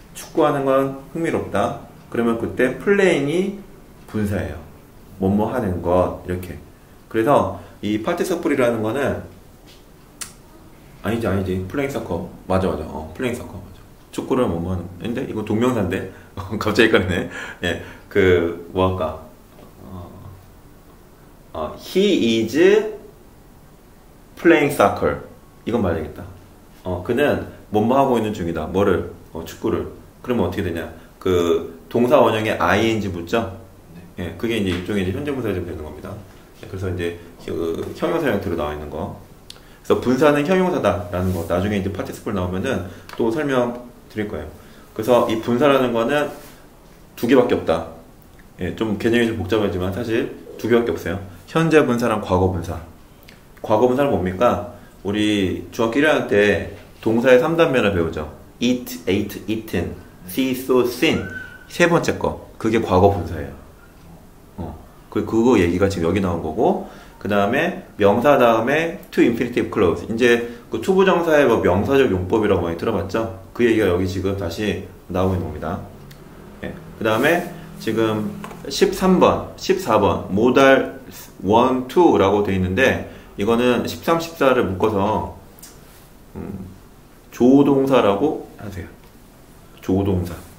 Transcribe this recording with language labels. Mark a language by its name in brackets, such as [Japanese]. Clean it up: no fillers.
[Korean] 축구하는 건 흥미롭다. 그러면 그때 playing이 분사예요. 뭐뭐 하는 것 이렇게. 그래서 이 participle이라는 거는 아니지 [English] playing soccer [Korean] 맞아 playing soccer 맞아. 축구를 뭐뭐 하는 근데 이거 동명사인데 갑자기 꺼내네. 예, 그 뭐할까 [English] he is playing soccer. [Korean] 이건 말해야겠다. 그는 뭐뭐 하고 있는 중이다. 뭐를? 축구를. 그러면 어떻게 되냐? 그 동사 원형에 ing 붙죠? 네. 예, 그게 이제 일종의 이제 현재 분사 형태로 되는 겁니다. 예, 그래서 이제 그 형용사 형태로 나와 있는 거. 그래서 분사는 형용사다라는 거. 나중에 이제 파티시플 나오면은 또 설명 드릴 거예요. 그래서 이 분사라는 거는 두 개밖에 없다. 예, 좀 개념이 좀 복잡하지만 사실 두 개밖에 없어요. 현재 분사랑 과거 분사. 과거 분사는 뭡니까? 우리 중학교 1학년 때 동사의 3단면을 배우죠. [English] eat, ate, eaten, see, saw, seen. [Korean] 세 번째 거. 그게 과거 분사예요. 그거 얘기가 지금 여기 나온 거고, 그 다음에 명사 다음에 to infinitive clause. 이제 그 초보정사의 뭐 명사적 용법이라고 많이 들어봤죠? 그 얘기가 여기 지금 다시 나오고 있는 겁니다. 예. 그 다음에 지금 13번, 14번, modal 1, 2라고 돼 있는데, 이거는 13, 14를 묶어서, 조동사라고 하세요. 조동사.